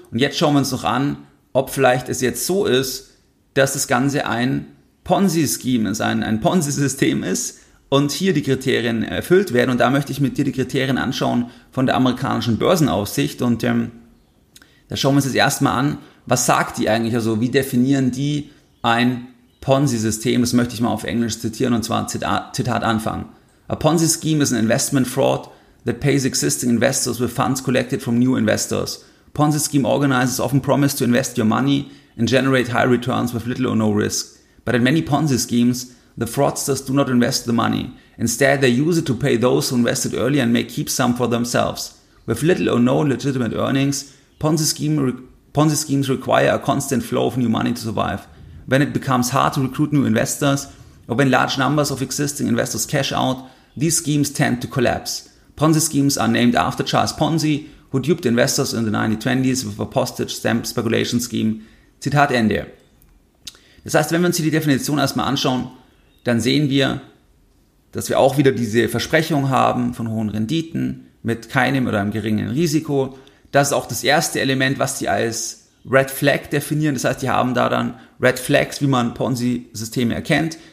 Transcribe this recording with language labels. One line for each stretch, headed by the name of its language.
German: Und jetzt schauen wir uns noch an, ob vielleicht es jetzt so ist, dass das Ganze ein Ponzi-Scheme ist, ein Ponzi-System ist und hier die Kriterien erfüllt werden. Und da möchte ich mit dir die Kriterien anschauen von der amerikanischen Börsenaufsicht. Und da schauen wir uns jetzt erstmal an, was sagt die eigentlich? Also wie definieren die ein Ponzi-System? Das möchte ich mal auf Englisch zitieren und zwar Zitat anfangen.
English: A Ponzi scheme is an investment fraud that pays existing investors with funds collected from new investors. Ponzi scheme organizers often promise to invest your money and generate high returns with little or no risk. But in many Ponzi schemes, the fraudsters do not invest the money. Instead, they use it to pay those who invested early and may keep some for themselves. With little or no legitimate earnings, Ponzi schemes require a constant flow of new money to survive. When it becomes hard to recruit new investors, or when large numbers of existing investors cash out, these schemes tend to collapse. Ponzi schemes are named after Charles Ponzi, who duped investors in the 1920s with a postage stamp speculation scheme.
German: Zitat Ende. Das heißt, wenn wir uns hier die Definition erstmal anschauen, dann sehen wir, dass wir auch wieder diese Versprechung haben von hohen Renditen mit keinem oder einem geringen Risiko. Das ist auch das erste Element, was die als Red Flag definieren. Das heißt, die haben da dann Red Flags, wie man Ponzi-Systeme erkennt.